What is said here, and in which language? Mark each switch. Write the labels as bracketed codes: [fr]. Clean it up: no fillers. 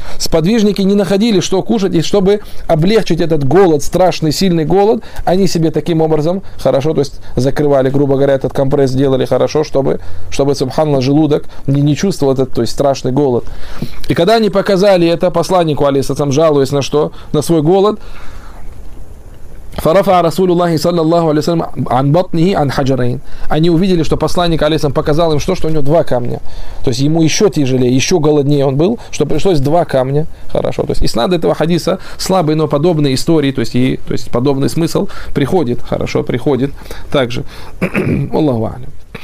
[ru] Сподвижники не находили, что кушать, и чтобы облегчить этот голод, страшный, сильный голод, они себе таким образом, хорошо, то есть закрывали, грубо говоря, этот компресс делали хорошо, чтобы субханаллах, желудок не чувствовал этот, то есть, страшный голод. И когда они показали это посланнику, алейхиссалям, жалуясь на что? На свой голод. [ar] فرفع رسول الله صلى الله عليه وسلم عن بطنه عن حجرين. [ru] Они увидели, что посланник алейхиссалям показал им, что у него два камня. То есть ему еще тяжелее, еще голоднее он был, что пришлось два камня. Хорошо. То есть иснад этого хадиса слабый, но подобные истории, то есть подобный смысл приходит. Хорошо, приходит. Также. Аллаху алейхи.